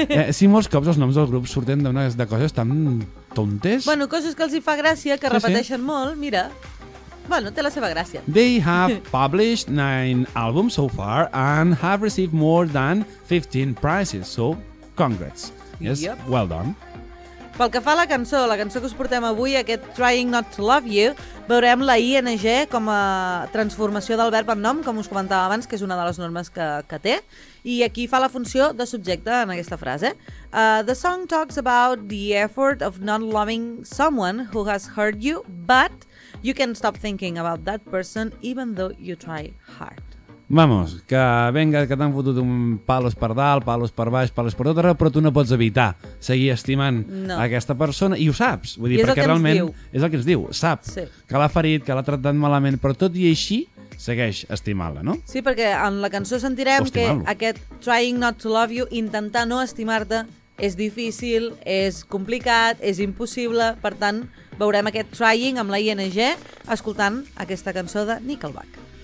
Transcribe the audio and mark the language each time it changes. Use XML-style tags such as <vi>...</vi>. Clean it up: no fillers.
<ca>Sí, molts cops els noms del grup surten de coses tan tontes. Bueno, coses que els hi fa gràcia, que repeteixen molt, mira. Bueno, té la seva gràcia.</ca> <en>They have published 9 albums so far and have received more than 15 prizes. So, congrats. Yes, yep. Well done.</en> <ca>Pel que fa a la cançó que us portem avui, aquest Trying Not to Love You, veurem la ING com a transformació del verb en nom, com us comentava abans, que és una de les normes que té, i aquí fa la funció de subjecte en aquesta frase.</ca> <en>The song talks about the effort of not loving someone who has hurt you, but you can stop thinking about that person even though you try hard.</en> <es>Vamos, que venga,</es> <ca>que t'han fotut un palos per dalt, palos per baix, palos per tot arreu, però tu no pots evitar seguir estimant aquesta persona, i ho saps, vull dir, perquè realment és el que ens diu, sap que l'ha ferit, que l'ha tractat malament, però tot i així segueix estimant-la, no? Sí, perquè en la cançó sentirem que aquest trying not to love you, intentar no estimar-te, és difícil, és complicat, és impossible, per tant, veurem aquest trying amb la ING escoltant aquesta cançó de Nickelback.</ca>